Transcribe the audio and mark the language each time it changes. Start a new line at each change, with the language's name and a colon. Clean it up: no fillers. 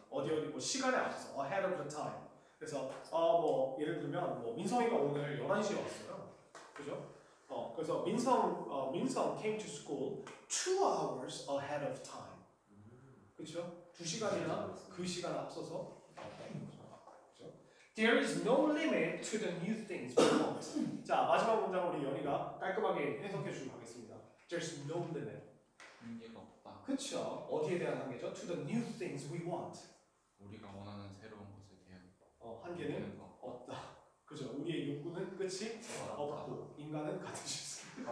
Korean: 어디 어디 뭐 시간에 앞서
English: Ahead of the time.
Korean: 그래서 뭐 예를 들면 뭐 민성이가 오늘 11시에 왔어요. 그죠? 그래서
English: 민성 came to school 2 hours ahead of time.
Korean: 그렇죠? 두 시간이나 그 시간 앞서서.
English: There is no limit to the new things we want.
Korean: 자, 마지막 문장 우리 연희가 깔끔하게 해석해 주시면 하겠습니다.
English: There's no limit.
Korean: 한계가 없다. 그쵸. 어디에 대한 한계죠?
English: To the new things we want.
Korean: 우리가 원하는 새로운 것에 대한 한계는 없다. 그죠. 우리의 욕구는 끝이 없고 인간은 같으실 수 있다.